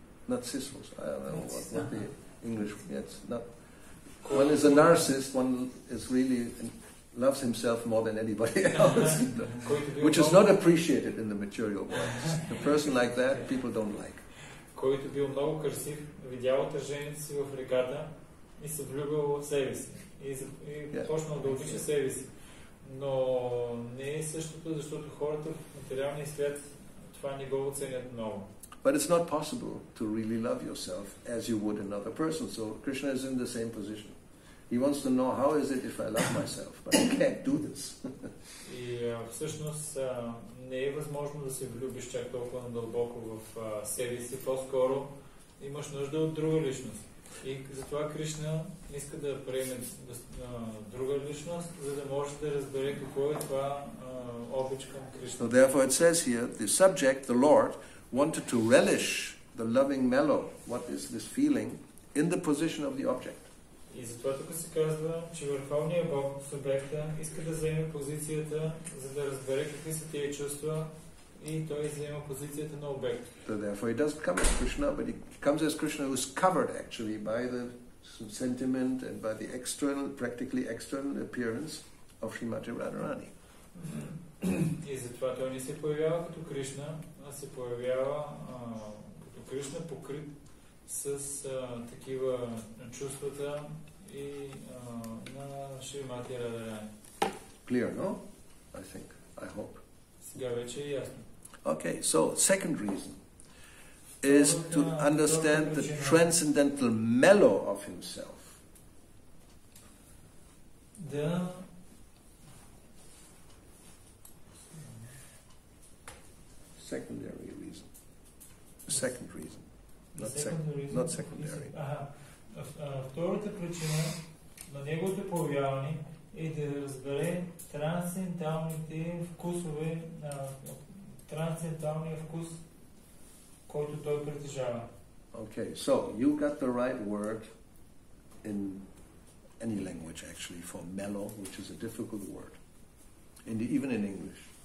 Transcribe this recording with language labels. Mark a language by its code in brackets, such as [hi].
[en] Narcissus, I don't know what the English gets. One is a narcissist, one is really loves himself more than anybody else, which is not appreciated in the material world. A person like that, people don't like. [bg] Който бил много красив, видял отражението си в реката и се влюбил в себе си. И почнал да обича себе си. Но не е същото, защото хората в материалния свят това не го оценят много. [en] But it's not possible to really love yourself as you would another person. So Krishna is in the same position. He wants to know how is it if I love myself, but I can't do this. [bg] И всъщност не е възможно да се влюбиш чак толкова дълбоко в себе си. По-скоро имаш нужда от друга личност. И затова Кришна иска да приеме друга личност, за да може да разбере какво е това обич към Кришна. [en] So therefore it says here, the subject, the Lord, wanted to relish the loving mellow, what is this feeling, in the position of the object. [bg] И затова тук се казва, че Върховният Бог, субекта, иска да заеме позицията, за да разбере какви са тези чувства, и той заема позицията на обект. [en] So therefore he doesn't come as Krishna, but he comes as Krishna who is covered actually by the sentiment and by the external, practically external appearance of Srimati Radharani. [bg] И затова той не се появява като Кришна, а се появява като Кришна покрит с такива чувствата и на Шримати Радарани. [en] Clear, no? I think. I hope. [bg] Сега вече е ясно. [en] Okay, so second reason is to understand the transcendental mellow of himself. [bg] Да. [en] Secondary reason. Second reason. Not secondary. [bg] Втората причина на неговото появяване е да разбере трансценденталните вкусове, трансценденталния вкус, който той притежава. [en] Okay, so you got the right word in any language actually for mellow, which is a difficult word, and even in English.